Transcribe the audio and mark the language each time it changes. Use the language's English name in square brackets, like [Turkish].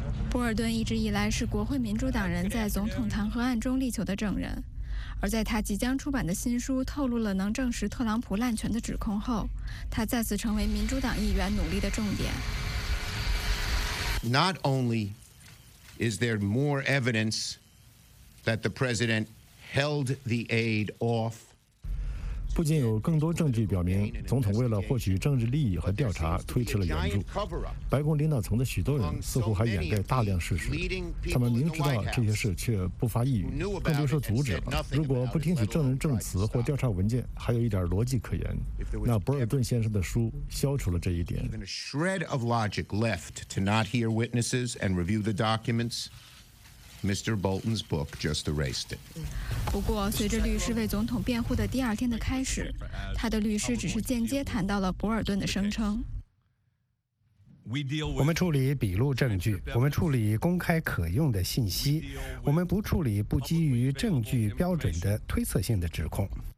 [Chinese] 博尔顿一直以来是国会民主党人在总统弹劾案中力求的证人，而在他即将出版的新书透露了能证实特朗普滥权的指控后，他再次成为民主党议员努力的重点。 [English] Not only is there more evidence that the president held the aid off， [Chinese] 不仅有更多证据表明总统为了获取政治利益和调查推迟了援助，白宫领导层的许多人似乎还掩盖大量事实，他们明知道这些事却不发一语，更别说阻止了。如果不听取证人证词或调查文件，还有一点逻辑可言，那博尔顿先生的书消除了这一点。 [English] Even a shred of logic left to not hear witnesses and review the documentsMr. Bolton's book just erased it. [Chinese] 不过，随着律师为总统辩护的第二天的开始，他的律师只是间接谈到了博尔顿的声称。我们处理笔录证据，我们处理公开可用的信息，我们不处理不基于证据标准的推测性的指控。